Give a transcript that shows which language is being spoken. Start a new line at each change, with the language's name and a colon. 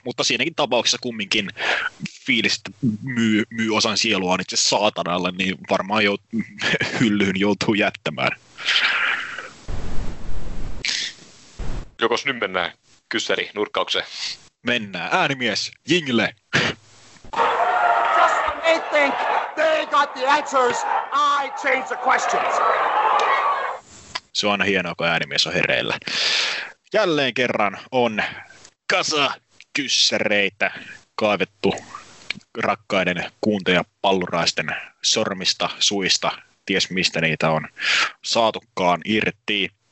Finnish: Mutta siinäkin tapauksessa kumminkin fiilis, että myy osan sieluaan itse saatanalle, niin varmaan hyllyyn joutuu jättämään. Jokos nyt mennään kyssäri nurkkaukseen. Mennään. Äänimies, jingle!
English: Just when they think they got the answers, I change the questions.
Finnish: Se on hienoa, kun äänimies on hereillä. Jälleen kerran on kasa kyssäreitä kaivettu rakkaiden kuuntajapalluraisten sormista, suista, ties mistä niitä on saatukaan irti.